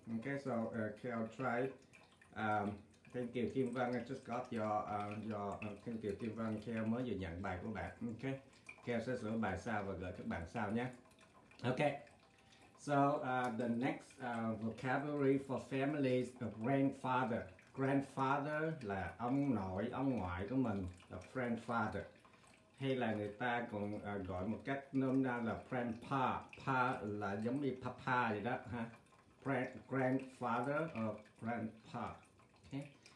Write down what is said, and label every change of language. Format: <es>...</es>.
<en>Ok, so Kel try. Thank you Kim Văn, I just got your thank you Kim Văn,</en> <vi>Kel mới vừa nhận bài của bạn. Ok, Kel sẽ sửa bài sau và gửi các bạn sau nhé.</vi> <en>Okay, so the next vocabulary for families, the grandfather.</en> <vi>Grandfather là ông nội, ông ngoại của mình, the grandfather. Hay là người ta còn gọi một cách nôm na là grandpa. Pa là giống như papa vậy đó ha.</vi> <en>Grandfather or grandpa.</en> <vi>Okay.</vi>